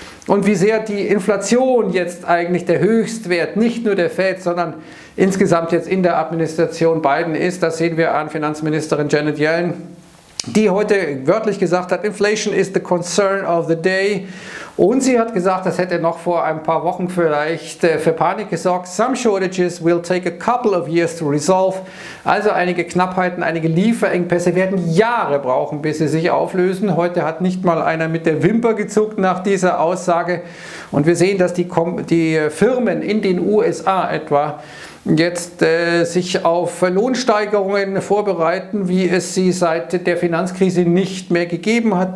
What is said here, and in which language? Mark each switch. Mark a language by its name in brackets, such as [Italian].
[German] Und wie sehr die Inflation jetzt eigentlich der Höchstwert, nicht nur der Fed, sondern insgesamt jetzt in der Administration Biden ist, das sehen wir an Finanzministerin Janet Yellen, die heute wörtlich gesagt hat, [English] Inflation is the concern of the day. [German] Und sie hat gesagt, das hätte noch vor ein paar Wochen vielleicht für Panik gesorgt. [English] Some shortages will take a couple of years to resolve. [German] Also einige Knappheiten, einige Lieferengpässe werden Jahre brauchen, bis sie sich auflösen. Heute hat nicht mal einer mit der Wimper gezuckt nach dieser Aussage. Und wir sehen, dass die Firmen in den USA etwa jetzt sich auf Lohnsteigerungen vorbereiten, wie es sie seit der Finanzkrise nicht mehr gegeben hat.